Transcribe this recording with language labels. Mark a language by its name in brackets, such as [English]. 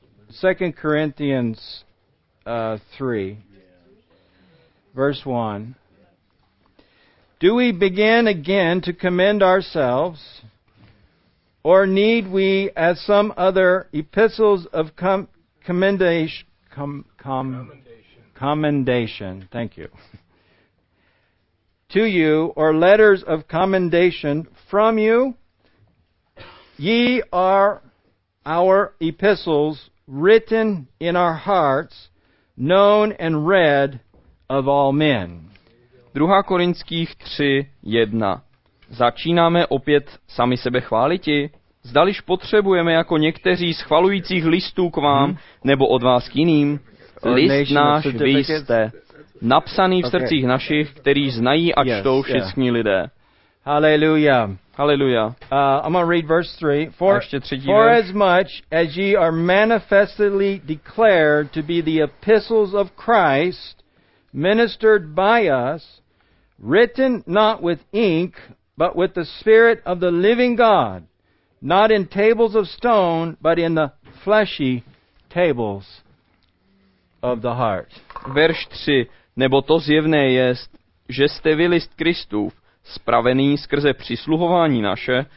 [English] Second Corinthians 3, verse 1. Do we begin again to commend ourselves, or need we, as some other epistles of commendation, thank you, to you, or letters of commendation from you? Ye are our epistles, written in our hearts, known and read of all men. [Czech] 2. Korinských 3:1. Začínáme opět sami sebe chváliti? Zdališ potřebujeme jako někteří schvalujících listů k vám, nebo od vás k jiným? List náš vy jste, napsaný v srdcích našich, který znají a čtou všichni lidé. Haleluja. Haleluja. [English] I'm going to read verse 3. For, [Czech] ještě třetí [English] for as much as ye are manifestly declared to be the epistles of Christ, ministered by us, written not with ink, but with the Spirit of the living God, not in tables of stone, but in the fleshy tables of the heart. [Czech] Verš 3. Nebo to zjevné jest, že jste vy list Kristův, spravený skrze přisluhování naše,